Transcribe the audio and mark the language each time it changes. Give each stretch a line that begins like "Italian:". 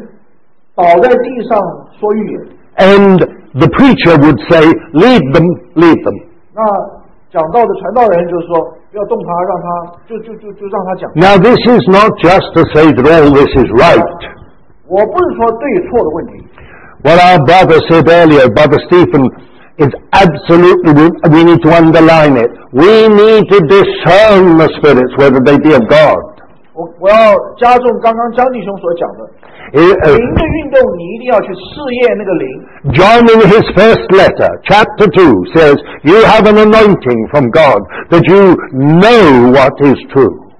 Chinese: 就是这个有名的一个牧者叫做钟马田，他亲自跟我说，在他们的聚会中，有人倒在地上说预言。
English: And the preacher would say, leave them, leave them.
Chinese: 那讲道的传道人就说，不要动他，让他就让他讲。
English: Now this is not just to say that all this is right.
Chinese: 我不是说对错的问题。
English: What our brother said earlier, Brother Stephen, is absolutely, we need to underline it. We need to discern the spirits, whether they be of God.
Chinese: 我要加重刚刚江弟兄所讲的。
English: John in his first letter, chapter 2, says, you have an anointing from God that you know what is true.